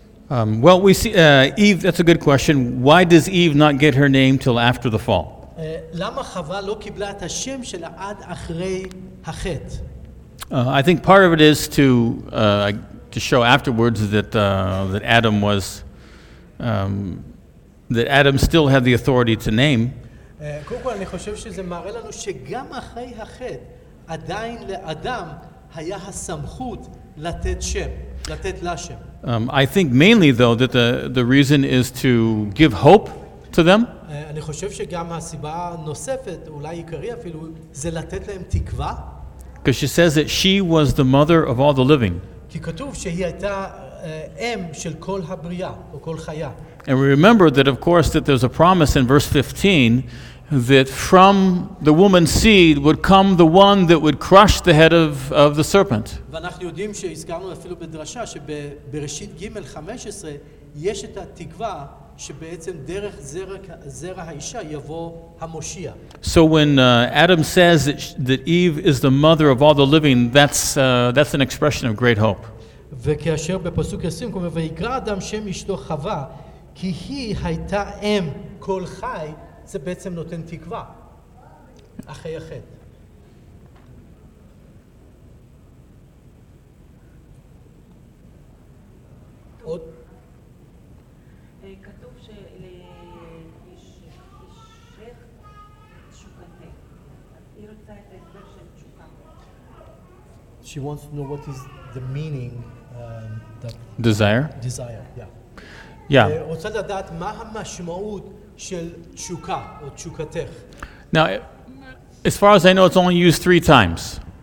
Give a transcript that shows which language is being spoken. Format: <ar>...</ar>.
<en>Well, we see Eve, that's a good question. Why does Eve not get her name till after the fall?</en> <he>למה חווה לא קיבלה את השם שלה עד אחרי החטא?</he> <en>I think part of it is to show afterwards that that Adam was that Adam still had the authority to name.</en> <he>אני חושב שזה מראה לנו שגם אחרי החטא עדיין לאדם היה הסמכות לתת שם, לתת לה שם.</he> <en>I think mainly though that the reason is to give hope to them.</en> <he>אני חושב שגם הסיבה נוספת אולי עיקרי אפילו זה לתת להם תקווה.</he> <en>Because she says that she was the mother of all the living.</en> <he>כי כתוב שהיא הייתה אם של כל הבריאה או כל חיה.</he> <en>And we remember that of course that there's a promise in verse 15 that from the woman's seed would come the one that would crush the head of the serpent.</en> <he>ואנחנו יודעים שהזכרנו אפילו בדרשה שבראשית ג' 15 יש את התקווה שבעצם דרך זרע האישה יבוא המושיע.</he> <en>So when Adam says that Eve is the mother of all the living, that's an expression of great hope.</en> <he>וכאשר בפסוק 20 כמו ויקרא אדם שם אשתו חווה כי היא הייתה אם כל חי, זה בעצם נותן תקווה אחרי החטא.</he> <en>She wants to know what is the meaning that desire? Desire, yeah. Yeah.</en> <he>רוצה לדעת מה המשמעות של תשוקה או תשוקתך.</he> <en>Now, as far as I know, it's only used three times.</en>